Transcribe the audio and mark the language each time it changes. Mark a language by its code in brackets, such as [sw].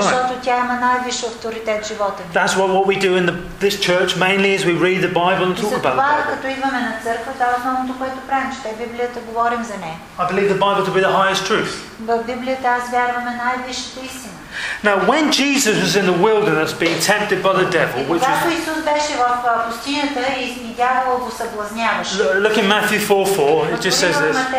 [bg] Защото тя има най-висш авторитет в живота ми. [en] That's what we do in this church mainly is we read the Bible and talk about it. [bg] Затова, като идваме на църква, това е основното, което правим, че Библията говорим за нея. [en] I believe the Bible to be the highest truth. [bg] В Библията аз вярваме най-висшата истина. [en] Now when Jesus was in the wilderness being tempted by the devil, which [bg] is Исус беше в пустинята и дявола го съблазняваше. [en] Look in Matthew 4:4, it just says this.